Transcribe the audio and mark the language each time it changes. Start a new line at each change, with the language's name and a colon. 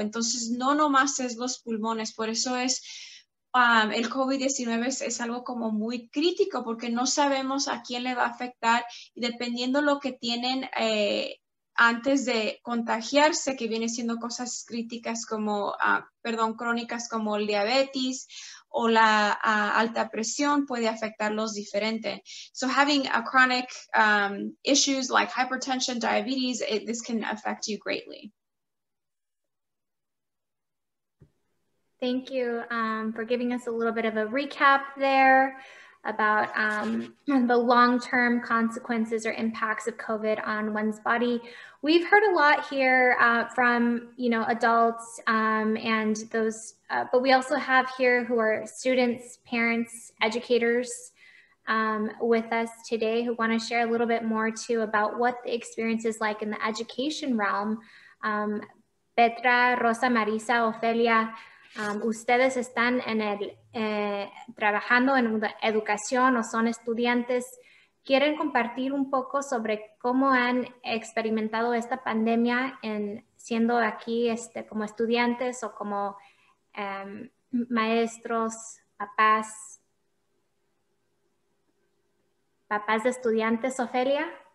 Spanish: Entonces, no nomás es los pulmones. Por eso es el COVID-19 es algo como muy crítico, porque no sabemos a quién le va a afectar. Y dependiendo lo que tienen antes de contagiarse, que viene siendo cosas críticas como, crónicas como el diabetes o la alta presión, puede afectarlos diferente.
English: So having a chronic issues like hypertension, diabetes, this can affect you greatly. Thank you for giving us a little bit of a recap there about the long-term consequences or impacts of COVID on one's body. We've heard a lot here from, you know, adults and those, but we also have here who are students, parents, educators with us today who want to share a little bit more too about what the experience is like in the education realm.
Spanish: Petra, Rosa, Marisa, Ofelia, ustedes están en el trabajando en educación o son estudiantes, ¿quieren compartir un poco sobre cómo han experimentado esta pandemia en siendo aquí como estudiantes o como maestros, papás de estudiantes, Ofelia?